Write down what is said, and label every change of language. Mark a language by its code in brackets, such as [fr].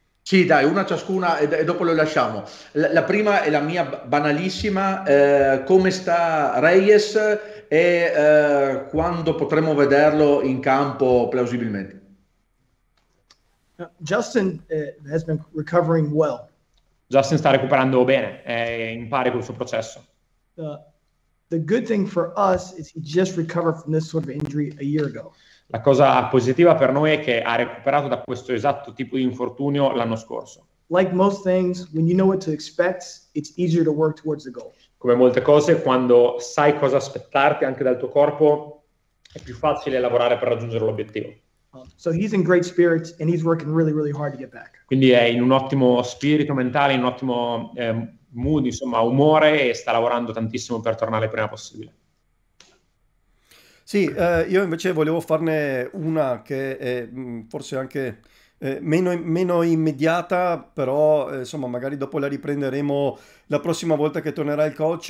[it] Sì, dai, una ciascuna e dopo lo lasciamo. La prima è la mia banalissima, come sta Reyes e quando potremo vederlo in campo plausibilmente? [en] Justin has been recovering well. [it] Justin sta recuperando bene, è in pari col suo processo. [en] The good thing for us is he just recovered from this sort of injury a year ago. [it] La cosa positiva per noi è che ha recuperato da questo esatto tipo di infortunio l'anno scorso. [en] Like most things, when you know what to expect, it's easier to work towards the goal. [it] Come molte cose, quando sai cosa aspettarti anche dal tuo corpo, è più facile lavorare per raggiungere l'obiettivo. [en] So he's in great spirits and he's working really, really hard to get back. [it] Quindi è in un ottimo spirito mentale, in un ottimo mood, insomma, umore, e sta lavorando tantissimo per tornare il prima possibile. Sì, io invece volevo farne una che è forse anche meno immediata, però insomma magari dopo la riprenderemo la prossima volta che tornerà il coach.